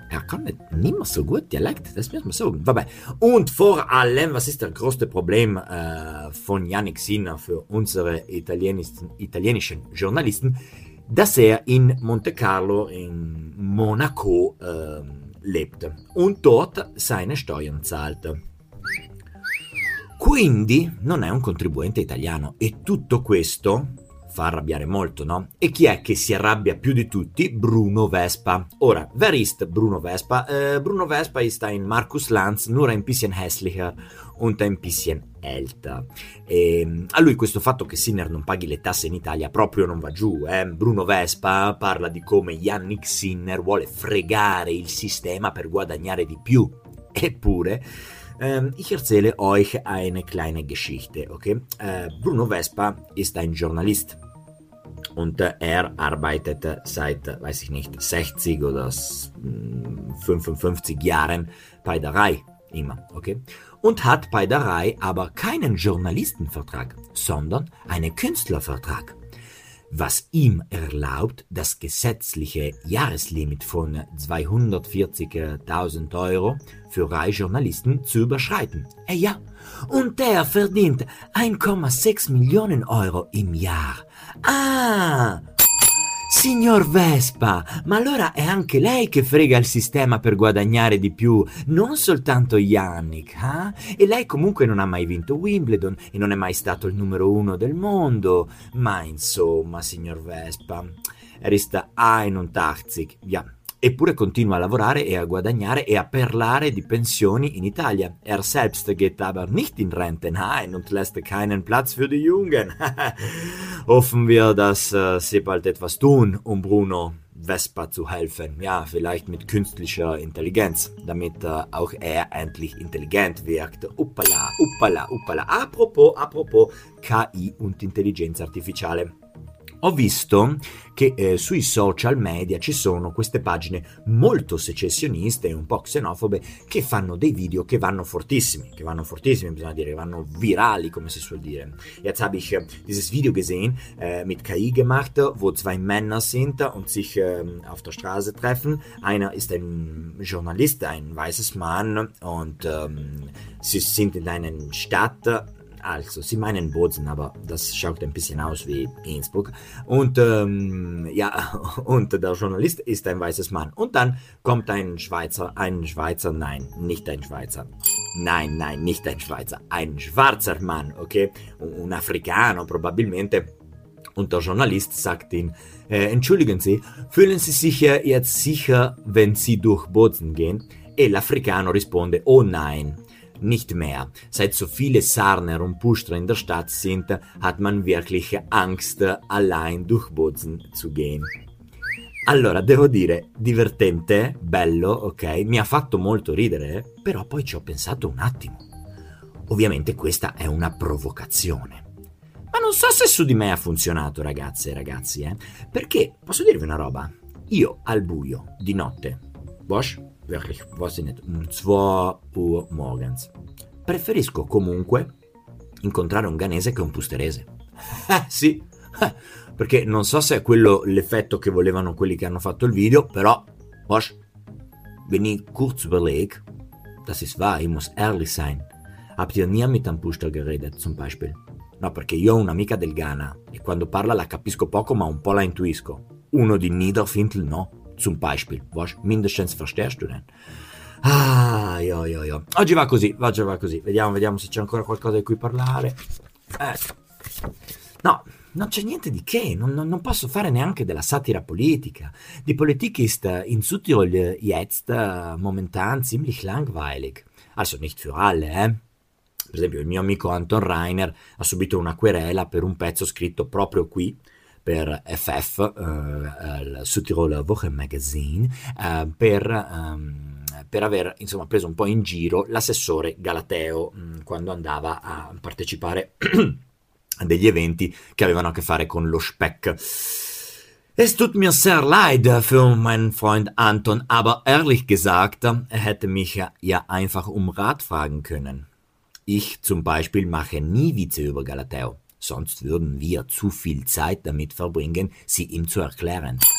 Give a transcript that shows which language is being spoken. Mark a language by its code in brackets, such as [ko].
[de] Er kann nicht, nicht mehr so gut Dialekt, das muss man sagen. Und vor allem, was ist das größte Problem von Yannick Sinner für unsere italienischen Journalisten? Dass er in Monte Carlo, in Monaco lebt und dort seine Steuern zahlt. [it] Quindi non è un contribuente italiano e tutto questo fa arrabbiare molto, no? E chi è che si arrabbia più di tutti? Bruno Vespa. Ora, where is Bruno Vespa? [de] Bruno Vespa ist ein Markus Lanz, nur ein bisschen hässlicher und ein bisschen älter. [it] E a lui questo fatto che Sinner non paghi le tasse in Italia proprio non va giù, eh? Bruno Vespa parla di come Yannick Sinner vuole fregare il sistema per guadagnare di più. [de] Eppure, ich erzähle euch eine kleine Geschichte, okay? Bruno Vespa ist ein Journalist und er arbeitet seit, weiß ich nicht, 60 oder 55 Jahren bei der RAI, immer, okay? Und hat bei der RAI aber keinen Journalistenvertrag, sondern einen Künstlervertrag, was ihm erlaubt, das gesetzliche Jahreslimit von 240.000 Euro für RAI-Journalisten zu überschreiten. Ja, und der verdient 1,6 Millionen Euro im Jahr. [it] Ah, signor Vespa, ma allora è anche lei che frega il sistema per guadagnare di più, non soltanto Yannick, eh? E lei comunque non ha mai vinto Wimbledon e non è mai stato il numero uno del mondo, ma insomma, signor Vespa, er ist 81, ja, eppure continua a lavorare e a guadagnare e a parlare di pensioni in Italia. [de] Er selbst geht aber nicht in Rente, nein, und lässt keinen Platz für die Jungen. Hoffen wir, dass sie bald etwas tun, um Bruno Vespa zu helfen, ja, vielleicht mit künstlicher Intelligenz, damit auch er endlich intelligent wirkt. Uppala, uppala, uppala. Apropos KI und Intelligenza Artificiale. [it] Ho visto che sui social media ci sono queste pagine molto secessioniste e un po' xenofobe che fanno dei video che vanno fortissimi, bisogna dire, vanno virali, come si suol dire. [de] Jetzt habe ich dieses Video gesehen mit KI gemacht, wo zwei Männer sind und sich auf der Straße treffen. Einer ist ein Journalist, ein weißes Mann, und sie sind in einer Stadt. Also, sie meinen Bozen, aber das schaut ein bisschen aus wie Innsbruck. Und und der Journalist ist ein weißes Mann. Und dann kommt ein schwarzer Mann, okay? Un africano, probabilmente. Und der Journalist sagt ihn, entschuldigen Sie, fühlen Sie sich jetzt sicher, wenn Sie durch Bozen gehen? [it] E l'africano risponde, oh nein. Nicht mehr. [de] Seit so viele Sarner und Pustler in der Stadt sind, hat man wirklich Angst, allein durch Bozen zu gehen. [it] Allora, devo dire, divertente, bello, ok? Mi ha fatto molto ridere, però poi ci ho pensato un attimo. Ovviamente questa è una provocazione. Ma non so se su di me ha funzionato, ragazze e ragazzi, Perché, posso dirvi una roba? Io, al buio, di notte, Bosch? [de] Wirklich, weiß ich nicht, um 2 Uhr morgens. [it] Preferisco comunque incontrare un ghanese che un pusterese. [de] Sì, perché non so se è quello l'effetto che volevano quelli che hanno fatto il video, però, Bosch, wenn ich kurz überlege, das ist wahr, ich muss ehrlich sein, habt ihr nie mit einem Puster geredet, zum Beispiel? [it] No, perché io ho un'amica del Ghana, e quando parla la capisco poco, ma un po' la intuisco. Uno di Niederfintel, no. Zum Beispiel, was? [de] Mindestens verstehst du denn? [it] Ah, io. Oggi va così. Vediamo se c'è ancora qualcosa di cui parlare. No, non c'è niente di che. Non posso fare neanche della satira politica. [de] Die Politik ist in Südtirol jetzt momentan ziemlich langweilig. [it] Also nicht für alle, Per esempio, il mio amico Anton Reiner ha subito una querela per un pezzo scritto proprio qui, per FF, il Südtirol Wochenmagazin, per aver, insomma, preso un po' in giro l'assessore Galateo quando andava a partecipare a degli eventi che avevano a che fare con lo Speck. [de] Es tut mir sehr leid für meinen Freund Anton, aber ehrlich gesagt, er hätte mich ja einfach um Rat fragen können. Ich zum Beispiel mache nie Witze über Galateo. Sonst würden wir zu viel Zeit damit verbringen, sie ihm zu erklären.